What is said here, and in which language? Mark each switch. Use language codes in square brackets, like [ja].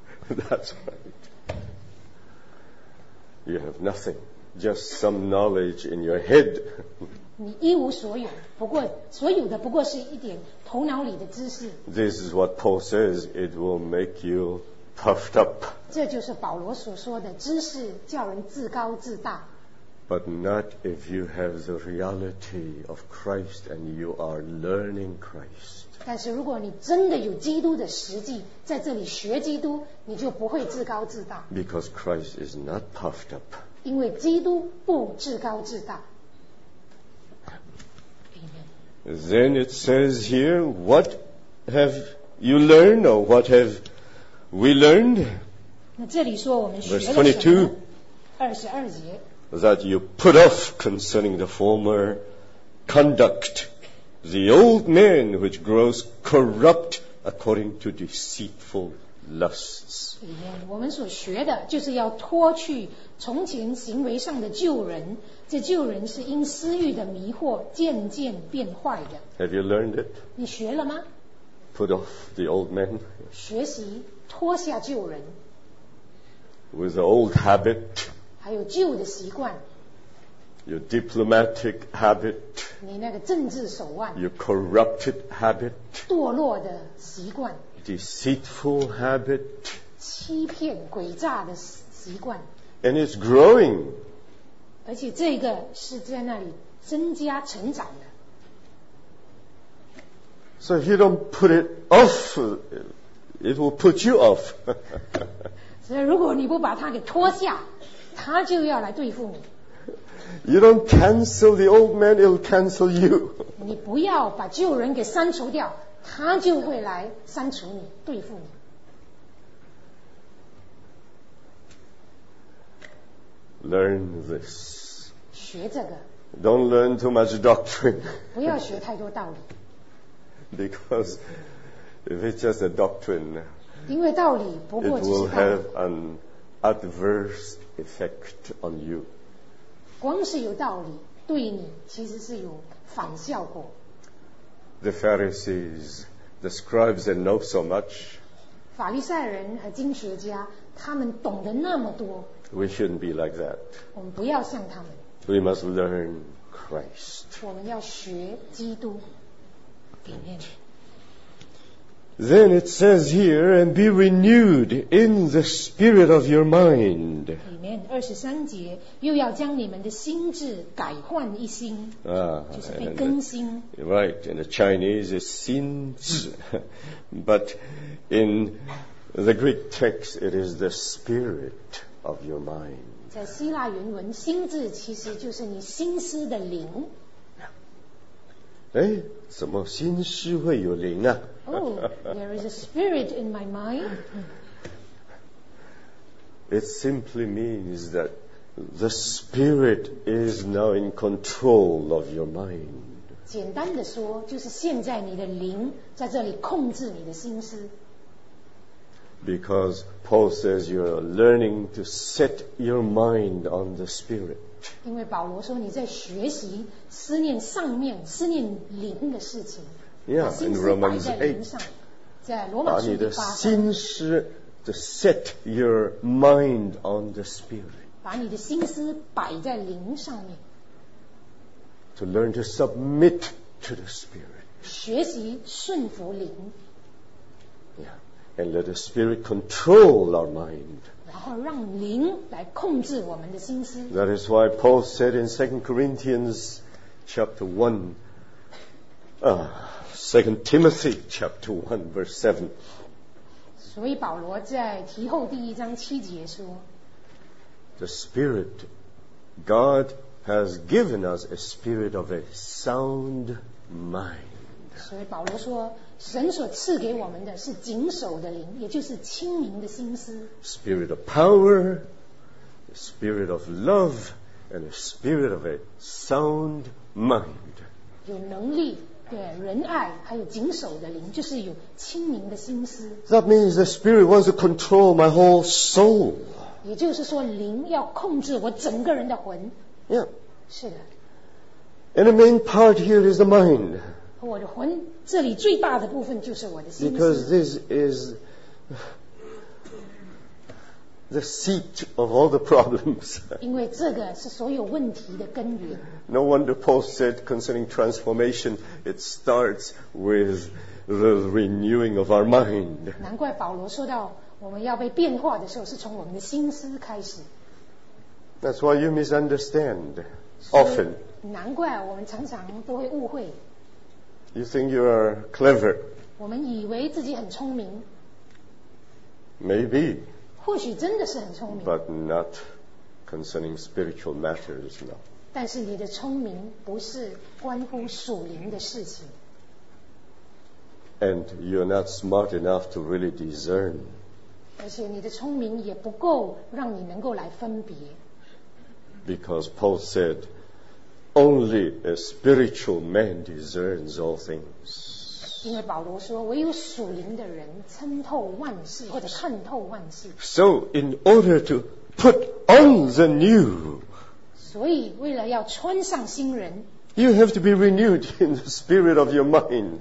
[en] that's right you have nothing just some knowledge in your head [zh] 你一无所有不过所有的不过是一点头脑里的知识 [en] this is what Paul says it will make you puffed up [zh] 这就是保罗所说的知识叫人自高自大 [en] but not if you have the reality of Christ and you are learning Christ [zh] 但是如果你真的有基督的实际在这里学基督你就不会自高自大 [en] because Christ is not puffed up [zh] 因为基督不自高自大 [en] Amen. Then it says here what have you learned or what haveWe learned, verse 22, that you put off concerning the former conduct, the old man which grows corrupt according to deceitful lusts. [zh] 我们所学的就是要脱去从前行为上的旧人，这旧人是因私欲的迷惑渐渐变坏的。 [en] Have you learned it? [zh] 你学了吗？ [en] Put off the old man. [zh] 学习。脱下旧人 [en] with the old habit [zh] 还有旧的习惯 [en] your diplomatic habit [zh] 你那个政治手腕 [en] your corrupted habit [zh] 堕落的习惯 [en] deceitful habit [zh] 欺骗诡诈的习惯 [en] and it's growing [zh] 而且这个是在那里增加成长的 [en] so if you don't put it off It will put you off. [zh] 所以如果你不把它给脱下，它就要来对付你。 [en] You don't cancel the old man, it'll cancel you. [zh] 你不要把旧人给删除掉，它就会来删除你，对付你。 [en] Learn this. [zh] 学这个。 [en] Don't learn too much doctrine. [zh] 不要学太多道理。 [en] Because If it's just a doctrine, [zh] 因为道理不过只是道理 [en] it will have an adverse effect on you. [zh] 光是有道理对你其实是有反效果 [en] The Pharisees, the scribes, they know so much. [zh] 法利赛人和经学家他们懂得那么多 [en] We shouldn't be like that. [zh] 我们不要像他们 [en] We must learn Christ. [zh] 我们要学基督 Amen. [en] Then it says here, and be renewed in the spirit of your mind. Amen. [zh] 23节又要将你们的心智改换一新，就是被更新。 [en] Right. In the Chinese, it's 心智 But in the Greek text, it is the spirit of your mind. [zh] 在希腊原文，心智其实就是你心思的灵。哎，怎么心思会有灵啊？ [en] Oh, there is a spirit in my mind. It simply means that the spirit is now in control of your mind. [zh] 简单的说，就是现在你的灵在这里控制你的心思。 [en] Because Paul says you are learning to set your mind on the spirit. [zh] 因为保罗说你在学习思念上面、思念灵的事情。 [en] Yeah, in Romans 8, [zh] 把你的心思 [en] to set your mind on the Spirit. [zh] 把你的心思摆在灵上面。 [en] To learn to submit to the Spirit. [zh] 学习顺服灵。 [en] Yeah, and let the Spirit control our mind. [zh] 然后让灵来控制我们的心思。 [en] That is why Paul said in 2 Corinthians chapter 1, Second Timothy chapter 1 verse 7. [zh] 所以保罗在提后第一章七节说 [en] the Spirit. God has given us a spirit of a sound mind. [zh] 所以保罗说，神所赐给我们的是谨守的灵，也就是清明的心思。 [en] Spirit of power, a spirit of love, and a spirit of a sound mind. [zh] 有能力。对，仁爱还有谨守的灵，就是有清明的心思。 [en] That means the spirit wants to control my whole soul. [zh] 也就是说，灵要控制我整个人的魂。 [en] Yeah. [zh] 是的。 [en] And the main part here is the mind. [zh] 我的魂，这里最大的部分就是我的心思。 [en] Because this is the seat of all the problems. [zh] 因为这个是所有问题的根源。 [en] No wonder Paul said concerning transformation, it starts with the renewing of our mind. [zh] 难怪保罗说到我们要被变化的时候是从我们的心思开始。 [en] That's why you misunderstand often. [zh] 难怪我们常常都会误会。 [en] You think you are clever. [zh] 我们以为自己很聪明。 [en] Maybe. [zh] 或许真的是很聪明。 [en] But not concerning spiritual matters, no. [zh] 但是你的聪明不是关乎属灵的事情。 [en] And you're not smart enough to really discern. [zh] 而且你的聪明也不够让你能够来分别。 [en] Because Paul said, only a spiritual man discerns all things. [zh] 因为保罗说，唯有属灵的人参透万事，或者看透万事。 [en] So in order to put on the new, [zh] 所以为了要穿上新人 [en] ，you have to be renewed in the spirit of your mind.